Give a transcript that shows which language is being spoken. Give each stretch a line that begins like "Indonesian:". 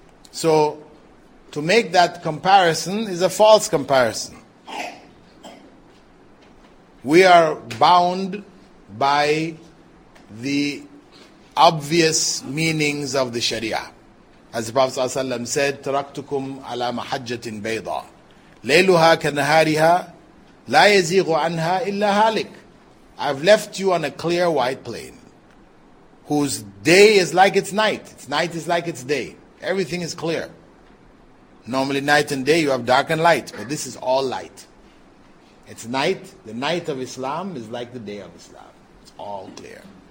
English: So, to make that comparison is a false comparison. We are bound by the obvious meanings of the Sharia. As the Prophet ﷺ said,
Arabic: تَرَكْتُكُمْ عَلَى مَحَجَّةٍ بَيْضًا لَيْلُهَا كَنَهَارِهَا لَا يَزِيغُ عَنْهَا إِلَّا هَالِكٌ.
English: I've left you on a clear white plain, whose day is like its night. Its night is like its day. Everything is clear. Normally night and day you have dark and light, but this is all light. It's night. The night of Islam is like the day of Islam. It's all clear.